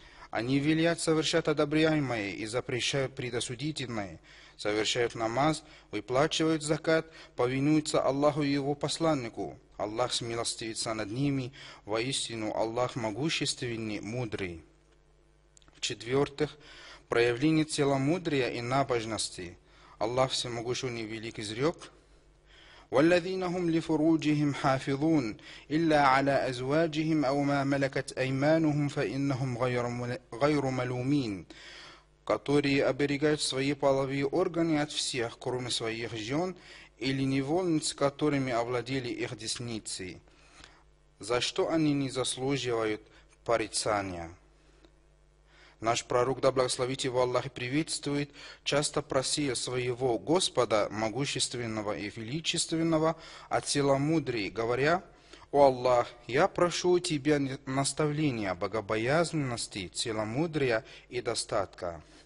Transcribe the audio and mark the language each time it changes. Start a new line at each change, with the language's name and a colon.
Russian: Они велят совершать одобряемое и запрещают предосудительное, совершают намаз, выплачивают закат, повинуются Аллаху и его посланнику. Аллах смилостивится над ними, воистину Аллах могущественный, мудрый. В-четвертых, проявление целомудрия и набожности. Аллах Всемогущий и Великий изрек:
Arabic: والذين هم لفروجهم حافظون إلا على أزواجهم أو ما ملكت أيمانهم فإنهم غير ملومين.
Russian: Которые оберегают свои половые органы от всех, кроме своих жен или невольниц, которыми овладели их десницы, за что они не заслуживают порицания. Наш пророк, да благословит его Аллах и приветствует, часто просил своего Господа, могущественного и величественного, о целомудрии, говоря: «О Аллах, я прошу у тебя наставления, богобоязненности, целомудрия и достатка».